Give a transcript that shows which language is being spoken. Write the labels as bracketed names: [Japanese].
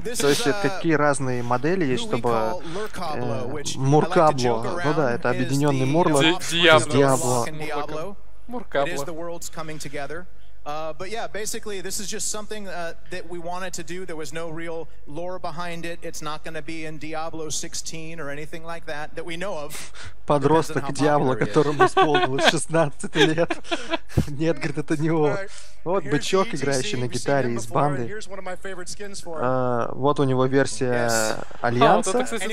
[Russian] То есть какие разные модели есть, чтобы... Муркабло. Ну да, это объединенный Мурлок с Диабло. Муркабло. [English] But yeah, basically, this is just something that we wanted to do. There was no real lore behind it. It's not going to be in Diablo 16 or anything like that that we know of. [Russian] Подросток Диабло, которому исполнилось 16 лет. Нет, говорит, это не он. Вот бычок, играющий на гитаре из банды. Вот у него версия Альянса.